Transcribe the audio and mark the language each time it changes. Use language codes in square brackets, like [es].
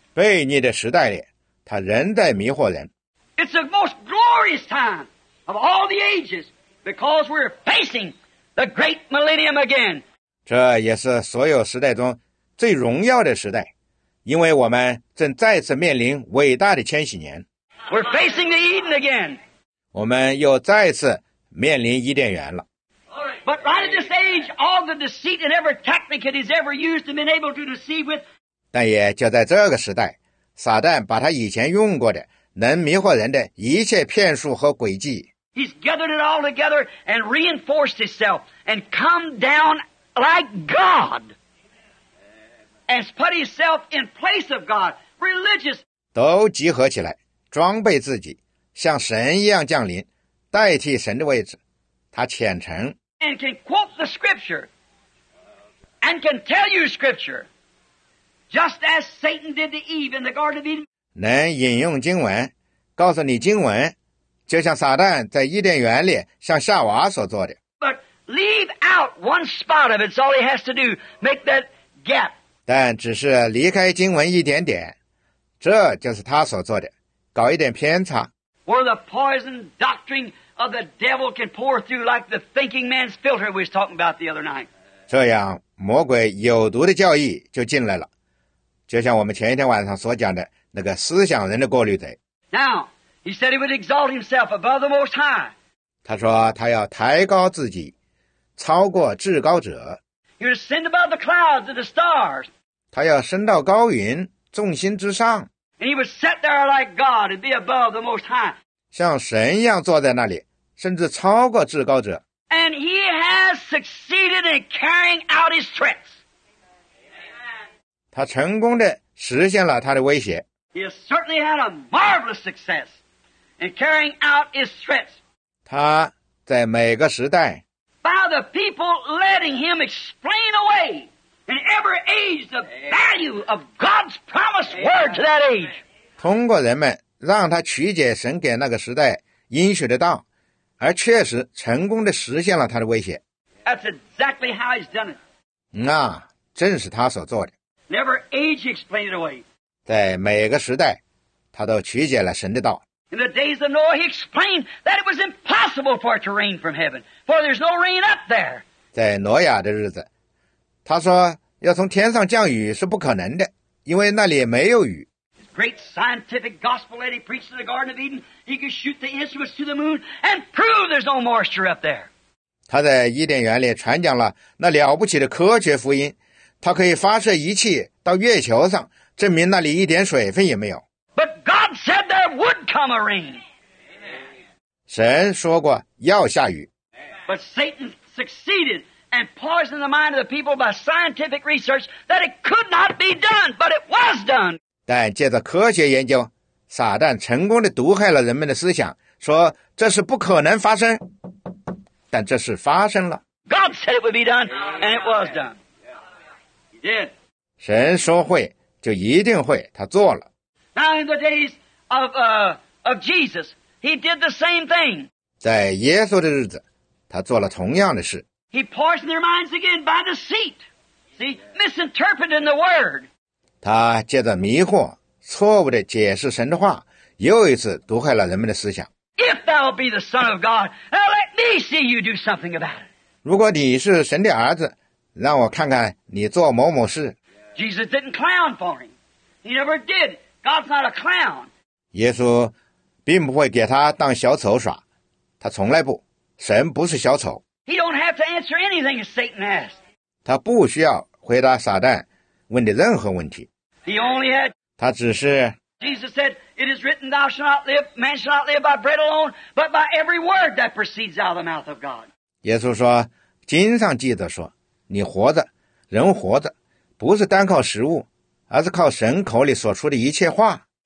[zh] 悖逆的时代里。他仍在迷惑人。 [en] It's the most glorious time of all the ages because we're facing the great millennium again. [zh] 这也是所有时代中最荣耀的时代，因为我们正再次面临伟大的千禧年。 [en] We're facing the Eden again. [zh] 我们又再次面临伊甸园了。 [en] But right at this age, all the deceit and every technique that he's ever used and been able to deceive with. [zh] 但也就在这个时代，撒旦把他以前用过的能迷惑人的一切骗术和诡计。 [en] He's gathered it all together and reinforced himself and come down like God and put himself in place of God, religious. [zh] 都集合起来，装备自己，像神一样降临，代替神的位置。他虔诚。 [en] And can quote the scripture and can tell you scripture just as Satan did to Eve in the Garden of Eden. [zh] 能引用经文告诉你经文，就像撒旦在伊甸园里向夏娃所做的。 [en] But leave out one spot of it. It's all he has to do. Make that gap. [zh] 但只是离开经文一点点，这就是他所做的，搞一点偏差。 [en] Where the poison doctrine of the devil can pour through like the thinking man's filter we was talking about the other night. [zh] 这样魔鬼有毒的教义就进来了，就像我们前一天晚上所讲的那个思想人的过滤嘴。 [en] Now, he said he would exalt himself above the Most High. [zh] 他说他要抬高自己，超过至高者。 [en] He would ascend above the clouds and the stars. [zh] 他要升到高云，众星之上。 [en] And he would sit there like God and be above the Most High. [zh] 像神一样坐在那里，甚至超过至高者。 [en] And he has succeeded in carrying out his threats. [zh] 他成功地实现了他的威胁。 [en] He has certainly had a marvelous success in carrying out his threats. [zh] 他在每个时代 [en] by the people letting him explain away in every age the value of God's promised word to that age. [zh] 通过人们让他曲解神给那个时代应许的道，而确实成功地实现了他的威胁。 [en] That's exactly how he's done it. [zh] 那正是他所做的。 [en] Never age explained it away. [zh] 在每个时代，他都曲解了神的道。 [en] In the days of Noah, he explained that it was impossible for it to rain from heaven, for there's no rain up there. [zh] 在挪亚的日子，他说要从天上降雨是不可能的，因为那里没有雨。 [en] Great scientific gospel that he preached in the Garden of Eden. He could shoot the instruments to the moon and prove there's no moisture up there. [zh] 他在伊甸园里传讲了那了不起的科学福音，他可以发射仪器到月球上，证明那里一点水分也没有。 [en] But God said there would come a rain. [zh] 神说过要下雨。 [en] But Satan succeeded and poisoned the mind of the people by scientific research that it could not be done, but it was done. [zh] 但借着科学研究，撒旦成功地毒害了人们的思想，说这是不可能发生，但这是发生了。 [en] God said it would be done, and it was done. He did. [zh] 神说会就一定会，他做了。 [en] Now in the days of Jesus, he did the same thing. [zh] 在耶稣的日子，他做了同样的事。 [en] He poisoned their minds again by deceit. See, misinterpreting the word. [zh] 他借着迷惑错误地解释神的话，又一次毒害了人们的思想。 [en] If thou be the son of God, let me see you do something about it. [zh] 如果你是神的儿子，让我看看你做某某事。 [en] Jesus didn't clown for him. He never did. God's not a clown. [zh] 耶稣并不会给他当小丑耍，他从来不，神不是小丑。 [en] He don't have to answer anything Satan asked. [zh] 他不需要回答撒旦问的任何问题。 [en] He only had, [zh] 他只是 [en] Jesus said, it is written, thou shalt not live, man shalt not live by bread alone, but by every word that proceeds out of the mouth of God. [zh] 耶稣说，经上记着说，你活着，人活着，不是单靠食物，而是靠神口里所出的一切话。